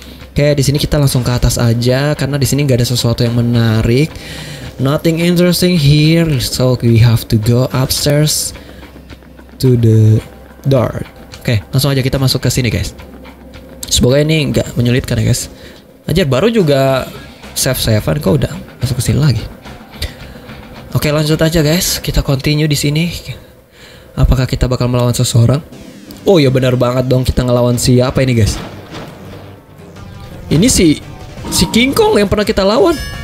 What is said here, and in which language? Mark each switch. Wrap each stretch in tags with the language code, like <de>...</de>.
<id>Oke, di sini kita langsung ke atas aja karena di sini nggak ada sesuatu yang menarik.</id> <en>Nothing interesting here, so we have to go upstairs to the door.</en> <id>Oke, langsung aja kita masuk ke sini guys. Semoga ini nggak menyulitkan ya guys. Ajar baru juga save-savean, kok udah masuk ke sini lagi. Oke, lanjut aja guys, kita continue di sini. Apakah kita bakal melawan seseorang? Oh ya, benar banget dong, kita ngelawan siapa ini guys? Ini si King Kong yang pernah kita lawan.</id>